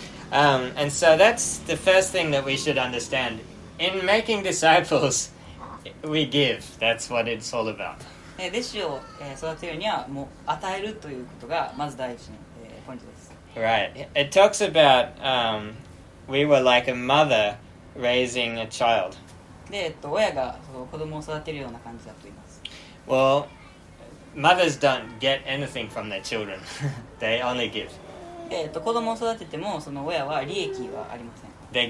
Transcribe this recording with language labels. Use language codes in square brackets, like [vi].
[en] And so that's the first thing that we should understand. In making disciples, we give. That's what it's all about. [ja] 弟子を育てるにはもう与えるということがまず第一のポイントです。 [en] Right. It talks about we were like a mother raising a child. [ja] で、親がその子供を育てるような感じだと言います。 [en] Well, mothers don't get anything from their children. They only give. [ja] 子供を育ててもその親は利益はありません。